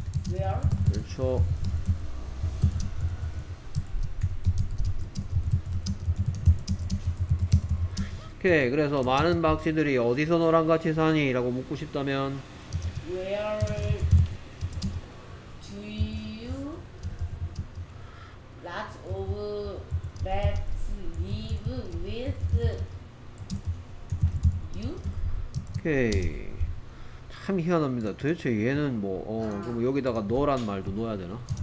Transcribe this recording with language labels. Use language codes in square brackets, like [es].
[en] where? [ko] 그렇죠. Okay, 그래서 많은 박쥐들이 어디서 너랑 같이 사니? 라고 묻고 싶다면 [en] Where do you lots of bats live with you? [ko] Okay. 참 희한합니다. 도대체 얘는 뭐 그럼 여기다가 너란 말도 넣어야 되나?